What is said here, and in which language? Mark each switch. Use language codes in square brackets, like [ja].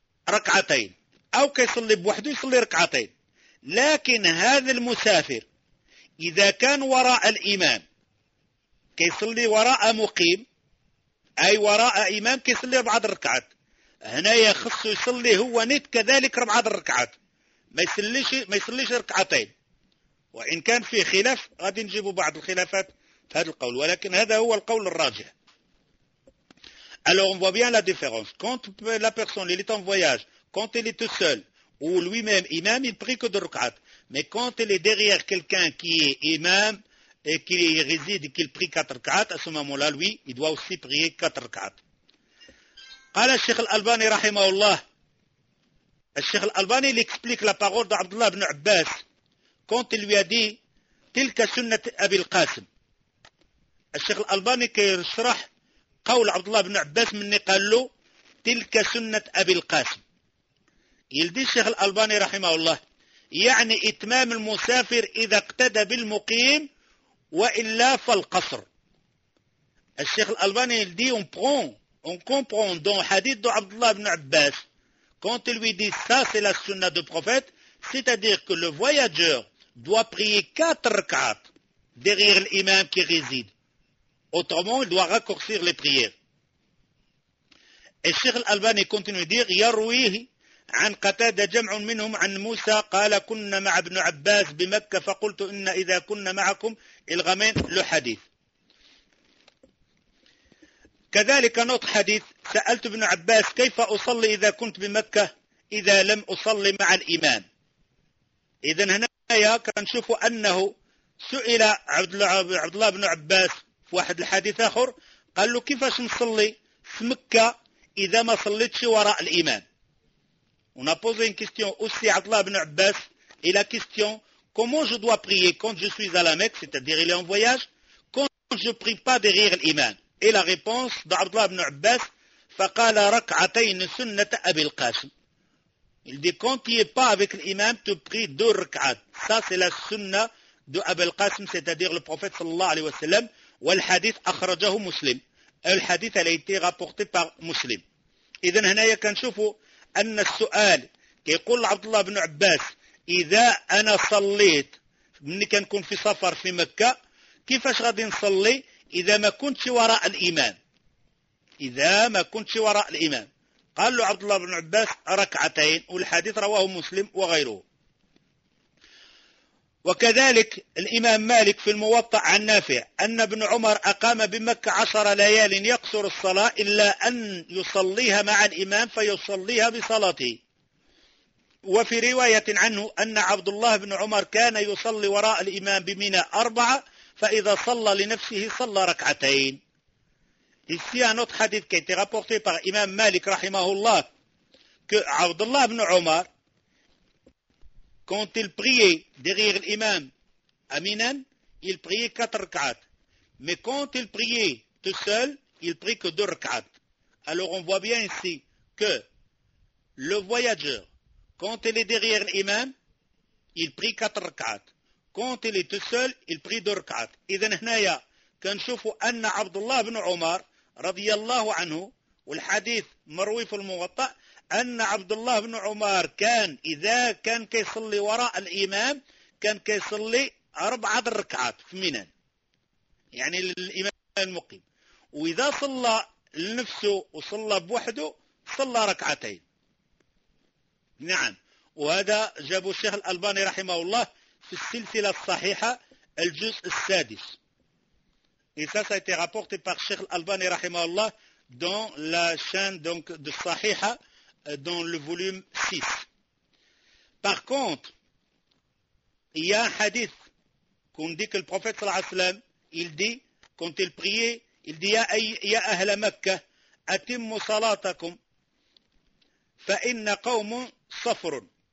[ar] ركعتين أو كيصلي بوحده يصلي 2 ركعتين، لكن هذا المسافر إذا كان وراء الإمام كيصلي وراء مقيم أي وراء إمام كيصلي 4 ركعات، هنا يخص يصلي هو نيت كذلك 4 ركعات، ما يصليش 2 ركعتين. وإن كان في خلاف غادي نجيبوا بعض الخلافات في هذا القول، ولكن هذا هو القول الراجح. [fr] Alors on voit bien la différence. Quand la personne est en voyage, quand elle est tout seul ou lui-même imam, il prie que 2 rak'at. Mais quand elle est derrière quelqu'un qui est imam et qui réside et qu'il prie 4 rak'at, à ce moment-là, lui, il doit aussi prier 4 rak'at. [ar] قال الشيخ الألباني رحمه الله. [fr] الشيخ الألباني il explique la parole d'Abdullah ibn Abbas. Quand il lui a dit [ar] تلك سنة أبي القاسم. الشيخ الألباني كيشرح قول عبد الله بن عباس مني قال له تلك سنة أبي القاسم. يلدي الشيخ الألباني رحمه الله يعني إتمام المسافر إذا اقتدى بالمقيم وإلا فالقصر. [fr] الشيخ الألباني يلدي on comprend dans le hadith de Abdullah ibn Abbas quand il lui dit ça c'est la sunna du prophète, c'est-à-dire que le voyageur doit prier 4 rak'at derrière l'imam qui réside, autrement il doit raccourcir les prières. Et Cheikh Al-Albani continue de dire [ar] yarwihi an qatada jam'un minhum an Musa qala kunna ma'a ibn Abbas bi Makkah fa qultu inna idha kunna ma'akum ilghamin le hadith. كذلك نط حديث سألت ابن عباس كيف أصلي إذا كنت بمكة إذا لم أصلي مع الإمام. إذن هنا نشوف أنه سئل عبد الله بن عباس في واحد الحديث آخر قال له كيفاش نصلي في مكة إذا ما صليتش وراء الإمام. [fr] On a posé une question aussi عبد الله بن عباس et la question comment je dois prier quand je suis à la Mecque, c'est-à-dire il est en voyage, quand je prie pas derrière l'imam. Et la réponse d'Abd Allah ibn Abbas, [ar] فَقَالَ رَكْعَتَيْنِ سُنَّةَ أَبِي الْقَاسِمِ. [fr] Il dit, quand tu n'es pas avec l'imam, tu pries 2 rak'at. Ça, c'est la sunna de Abi al-Qasim, c'est-à-dire le prophète sallallahu alayhi wa sallam, et le hadith [ar] akhrajahu muslim. [fr] Et le hadith, elle a été rapportée par muslim. Et donc, [ar] هنا كان شوفوا أن السؤال كيقول عبد الله بن عباس إذا أنا صليت مني كنكون في سفر في مكة كيفاش غادي نصلي إذا ما كنت وراء الإمام. إذا ما كنت وراء الإمام قال له عبد الله بن عباس ركعتين, والحديث رواه مسلم وغيره. وكذلك الإمام مالك في الموطأ عن نافع أن ابن عمر أقام بمكة 10 ليال يقصر الصلاة إلا أن يصليها مع الإمام فيصليها بصلاته. وفي رواية عنه أن عبد الله بن عمر كان يصلي وراء الإمام بمنى 4 فإذا صلى لنفسه صلى ركعتين. [fr] ici un autre hadith qui a été rapporté par Imam Malik rahimahullah que Abdullah ibn Omar quand il priait derrière l'imam à Mina il priait 4 rak'at, mais quand il priait tout seul il priait que 2 rak'at. Alors on voit bien ici que le voyageur quand il est derrière l'imam il prie 4 rak'at, quand il est tout seul, il prie 2 rak'at. [ar] إذن هنا كنشوفوا أن عبد الله بن عمر رضي الله عنه والحديث مروي في الموطأ أن عبد الله بن عمر كان إذا كان كيصلي وراء الإمام كان كيصلي 4 ركعات في منى, يعني للإمام المقيم, وإذا صلى لنفسه وصلى بوحده صلى ركعتين. نعم, وهذا جابه الشيخ الألباني رحمه الله في السلسلة الصحيحة الجزء السادس. [fr] Et ça, ça a été rapporté par Cheikh Al-Albani rahimahullah dans la chaîne donc de Sahiha dans le volume 6. Par contre, il y a un hadith qu'on dit que le prophète sallallahu alayhi wa sallam, il dit quand il priait, il dit [ar] ya ahla Mecca atimmu salatakum fa inna qawmun safrun.